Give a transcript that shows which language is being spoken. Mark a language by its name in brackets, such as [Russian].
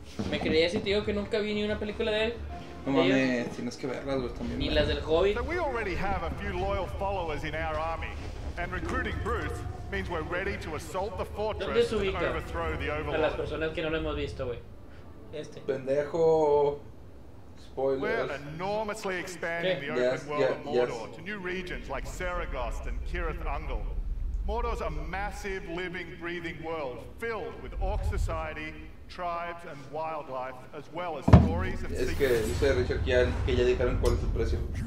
[Spanish] ¿Me creías si te digo que nunca vi ni una película de él? No mames, tienes que verlas, güey, también. Ni las del Hobbit. [English] We already have a few loyal followers in our army. And recruiting Bruce means we're ready to assault the fortress and overthrow the overlord. [Spanish] A las personas que no lo hemos visto, güey. Este. Pendejo. Spoilers. [English] We're enormously expanding the open world of Mordor to new regions like Saragost and Kirith Ungol. Mordor's a massive, living, breathing world filled with orc society, tribes, and wildlife, as well as stories and secrets. [Spanish] Es que dice Richard que ya dijeron cuál es su precio.